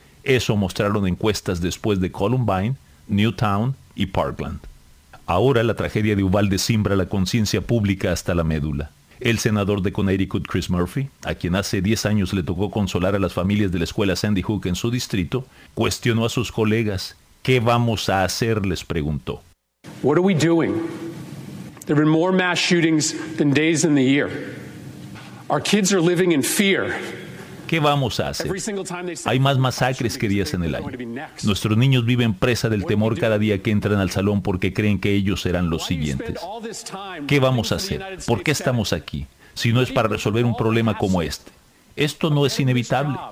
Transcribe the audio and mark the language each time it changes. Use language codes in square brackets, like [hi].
[es] Eso mostraron encuestas después de Columbine, Newtown y Parkland. Ahora la tragedia de Uvalde cimbra la conciencia pública hasta la médula. El senador de Connecticut, Chris Murphy, a quien hace 10 años le tocó consolar a las familias de la escuela Sandy Hook en su distrito, cuestionó a sus colegas. ¿Qué vamos a hacer? Les preguntó. ¿Qué estamos haciendo? [en] There have been more mass shootings than days in the year. Our kids are living in fear. [es] ¿Qué vamos a hacer? Hay más masacres que días en el año. Nuestros niños viven presa del temor cada día que entran al salón porque creen que ellos serán los siguientes. ¿Qué vamos a hacer? ¿Por qué estamos aquí? Si no es para resolver un problema como este. Esto no es inevitable.